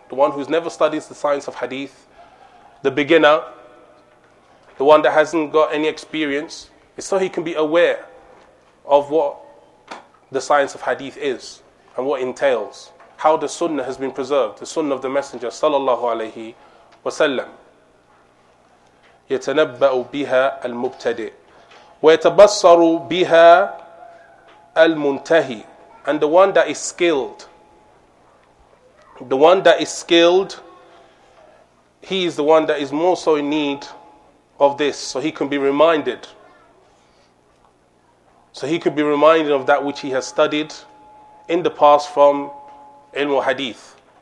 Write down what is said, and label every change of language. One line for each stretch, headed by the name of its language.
English: The one who's never studied the science of hadith. The beginner, the one that hasn't got any experience, is so he can be aware of what the science of hadith is and what entails, how the sunnah has been preserved, the sunnah of the Messenger, sallallahu alayhi wa sallam.
Arabic: يتنبأ بها المبتدئ ويتبصر بها المنتهي.
English: And the one that is skilled, the one that is skilled, he is the one that is more so in need of this, so he can be reminded. So he could be reminded of that which he has studied in the past from ilm al hadith.